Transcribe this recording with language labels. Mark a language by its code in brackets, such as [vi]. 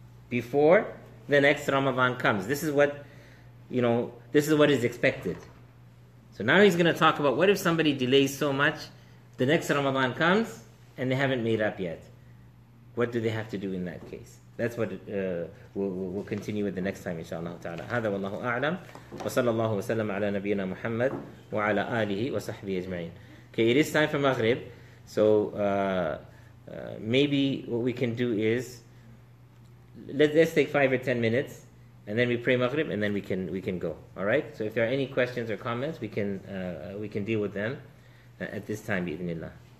[en] Before the next Ramadan comes. This is what is expected. So now he's going to talk about, what if somebody delays so much, the next Ramadan comes, and they haven't made up yet. What do they have to do in that case? That's what we'll continue with the next time, inshallah ta'ala. [ar] هذا والله أعلم وصلى الله وسلم على نبينا محمد وعلى آله وصحبه أجمعين. [en] Okay, it is time for Maghrib. So maybe what we can do is, let's take 5 or 10 minutes, and then we pray Maghrib, and then we can go. All right? So if there are any questions or comments, we can deal with them at this time, bi'idhnillah.